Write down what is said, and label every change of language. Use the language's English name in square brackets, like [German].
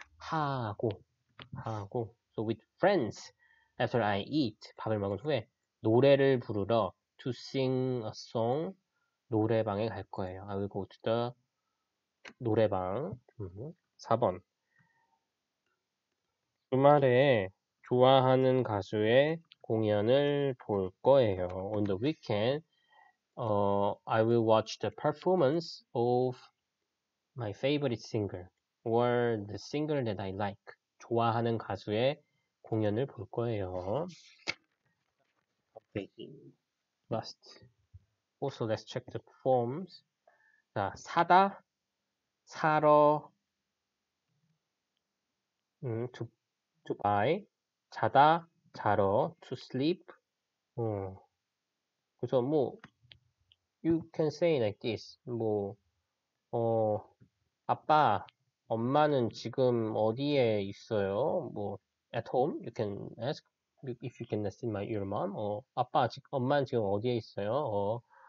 [Korean] 하고, [English] so with friends, after I eat, [Korean] 밥을 먹은 후에 노래를 부르러 [English] to sing a song [Korean] 노래방에 갈 거예요. [English] I will go to the 노래방. [Korean] 4번. 주말에 좋아하는 가수의 공연을 볼 거예요. [English] On the weekend, I will watch the performance of my favorite singer or the singer that I like. [Korean] 좋아하는 가수의 공연을 볼 거예요. [English] Last. Also, let's check the forms. 자, 사다, 사러, to buy, 자다, 자러, to sleep. [Korean] 그래서 뭐, [English] you can say like this. [Korean] 뭐, 아빠, 엄마는 지금 어디에 있어요? [English] 뭐, at home, you can ask if you can see my your mom. [Korean] 아빠, 엄마는 지금 어디에 있어요?